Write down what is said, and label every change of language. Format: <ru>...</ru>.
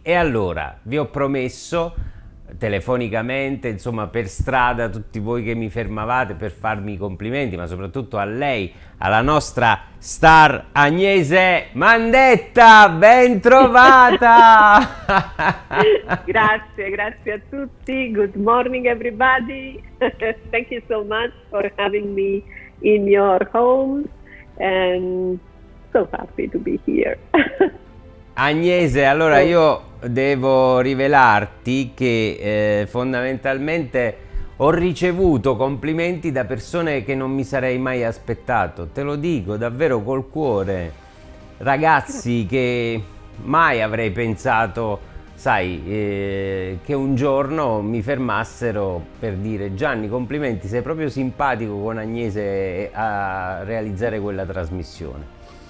<it>E allora vi ho promesso, telefonicamente, insomma per strada, tutti voi che mi fermavate per farmi i complimenti, ma soprattutto a lei, alla nostra star Agnese Mandetta, ben trovata! grazie a tutti,</it> <en>good morning everybody, thank you so much for having me in your home, and so happy to be here.</en> <it>Agnese, allora io devo rivelarti che fondamentalmente ho ricevuto complimenti da persone che non mi sarei mai aspettato, te lo dico davvero col cuore, ragazzi che mai avrei pensato, sai, che un giorno mi fermassero per dire: Gianni, complimenti, sei proprio simpatico con Agnese a realizzare quella trasmissione.</it>